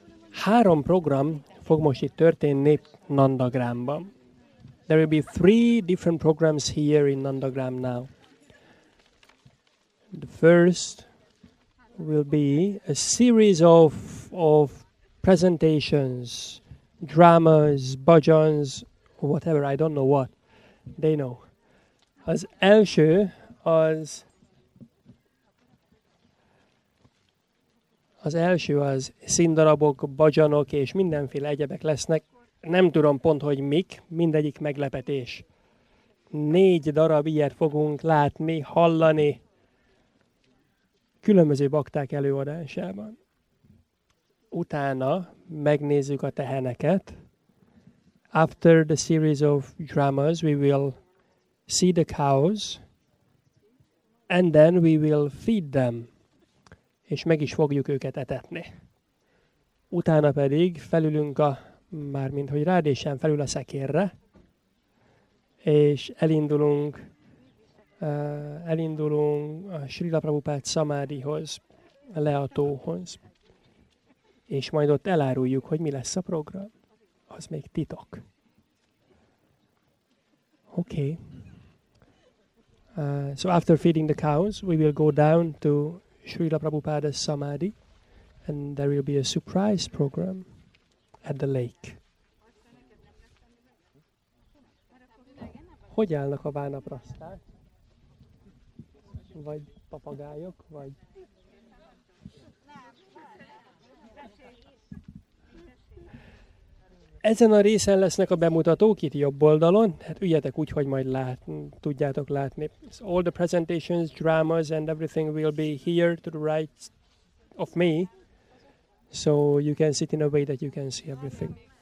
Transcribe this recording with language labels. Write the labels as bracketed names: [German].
[Hungarian] Három program fog most itt történni Nandagramban. [English] There will be three different programs here in Nandagram now. The first will be a series of presentations, dramas, bhajans, whatever, I don't know what. They know. [Hungarian] Az első az színdarabok, bhajanok és mindenféle egyebek lesznek. Nem tudom pont, hogy mik, mindegyik meglepetés. Négy darab ilyet fogunk látni, hallani különböző bakták előadásában. Utána megnézzük a teheneket. [English] After the series of dramas, we will see the cows, and then we will feed them. [Hungarian] És meg is fogjuk őket etetni. Utána pedig felülünk a, mármint hogy Rádésen felül a szekérre, és elindulunk, elindulunk a Srila Prabhupád Szamádihoz, le a tóhoz, és majd ott eláruljuk, hogy mi lesz a program. Az még titok. Oké. [English] Okay. So after feeding the cows, we will go down to Srila Prabhupada Samadhi, and there will be a surprise program at the lake. [Hungarian] Hogy állnak a vánaprasták? Vagy papagájok? Vagy? Ezen a részen lesznek a bemutatók itt jobb oldalon, hát üljetek úgy, hogy majd tudjátok látni. [English] So all the presentations, dramas and everything will be here to the right of me, so you can sit in a way that you can see everything.